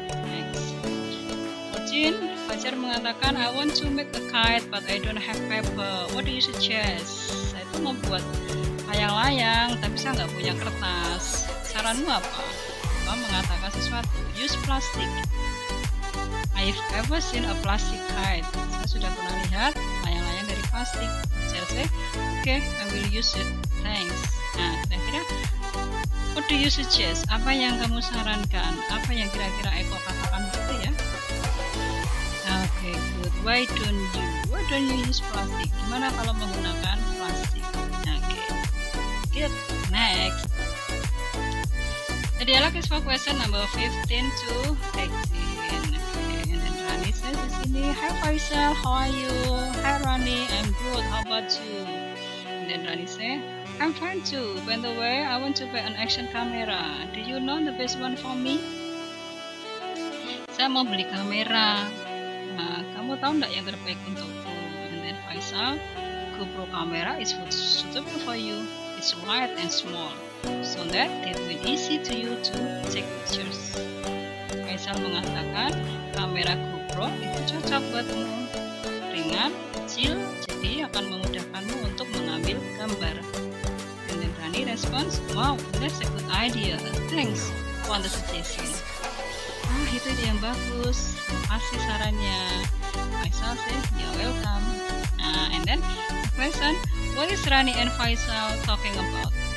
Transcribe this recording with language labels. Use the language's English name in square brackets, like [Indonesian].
[English] Next, Jin, Fajar mengatakan, I want to make a kite but I don't have paper. What do you suggest? [Indonesian] Saya itu mau buat layang-layang tapi saya nggak punya kertas. Saranmu apa? Apa mengatakan sesuatu? [English] Use plastic. I've ever seen a plastic kite. [Indonesian] Saya sudah pernah lihat layang-layang dari plastik. [English] Chelsea, okay, I will use it. Thanks. [Indonesian] Nah, kira-kira, [English] what do you suggest? [Indonesian] Apa yang kamu sarankan? Apa yang kira-kira Eko katakan itu ya? Okay, good. [English] Why don't you use plastic? [Indonesian] Gimana kalau menggunakan plastik? [English] Okay, good. Next. The dialogue is for question number 15 to 18. Hi Faisal, how are you? Hi Rani, I'm good, how about you? And then Rani say, I'm fine too. By the way, I want to buy an action camera. Do you know the best one for me? [Indonesian] Saya mau beli kamera. Nah, kamu tahu nggak yang terbaik untukku? [English] And then Faisal, GoPro camera is suitable for you. It's light and small, so that it will easy to you to take pictures. [Indonesian] Faisal mengatakan, kamera GoPro itu cocok buatmu, ringan, kecil, jadi akan memudahkanmu untuk mengambil gambar. [English] And then Rani responds, wow, that's a good idea, thanks for the suggestion. [Indonesian] Ah, itu dia yang bagus, makasih sarannya. [English] Faisal says, you're welcome. Nah, and then the question, what is Rani and Faisal talking about?